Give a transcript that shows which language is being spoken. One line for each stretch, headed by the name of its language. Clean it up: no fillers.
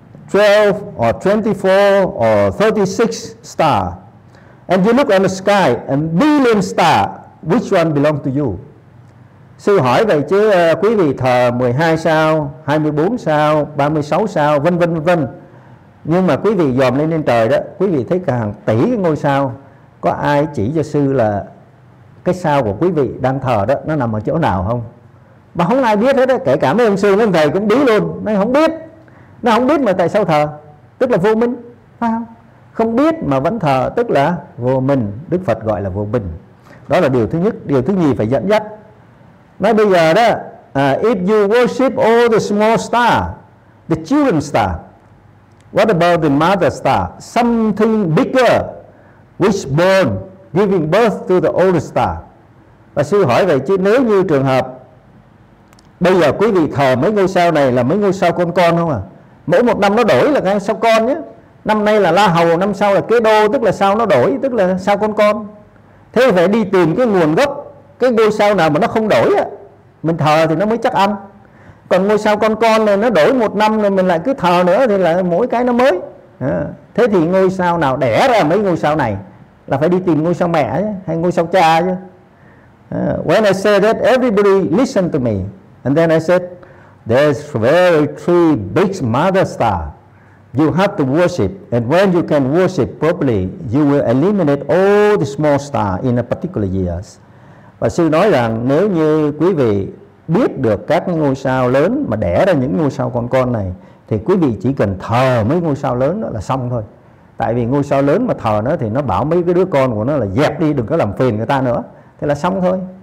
English: 12 or 24 or 36 star. And you look on the sky and billion star, which one belong to you?
Vietnamese: Sư hỏi vậy chứ quý vị thờ 12 sao, 24 sao, 36 sao, vân vân vân vân. Nhưng mà quý vị dòm lên trên trời đó, quý vị thấy cả hàng tỷ cái ngôi sao, có ai chỉ cho sư là cái sao của quý vị đang thờ đó nó nằm ở chỗ nào không? Mà không ai biết hết đó, kể cả mấy ông sư, mấy ông thầy cũng bí luôn, nó không biết. Nó không biết mà tại sao thờ, tức là vô minh, phải không? Không biết mà vẫn thờ tức là vô minh, Đức Phật gọi là vô minh. Đó là điều thứ nhất. Điều thứ nhì phải dẫn dắt. Nói bây giờ đó,
English: if you worship all the small star, the children star, what about the mother star? Something bigger, which born, giving birth to the older star.
Vietnamese: Và sư hỏi vậy chứ nếu như trường hợp bây giờ quý vị thờ mấy ngôi sao này là mấy ngôi sao con không à? Mỗi một năm nó đổi là sao con nhé. Năm nay là La Hầu, năm sau là Kế Đô, tức là sao nó đổi, tức là sao con. Thế phải đi tìm cái nguồn gốc, cái ngôi sao nào mà nó không đổi á, mình thờ thì nó mới chắc ăn. Còn ngôi sao con này nó đổi một năm rồi mình lại cứ thờ nữa thì là mỗi cái nó mới. Thế thì ngôi sao nào đẻ ra mấy ngôi sao này là phải đi tìm ngôi sao mẹ chứ, hay ngôi sao cha chứ.
English: When I say that, everybody listen to me. And then I said, there's very three big mother star. You have to worship. And when you can worship properly, you will eliminate all the small star in a particular year.
Vietnamese: Và sư nói rằng nếu như quý vị biết được các ngôi sao lớn mà đẻ ra những ngôi sao con này, thì quý vị chỉ cần thờ mấy ngôi sao lớn đó là xong thôi. Tại vì ngôi sao lớn mà thờ nó thì nó bảo mấy cái đứa con của nó là dẹp đi, đừng có làm phiền người ta nữa. Thế là xong thôi.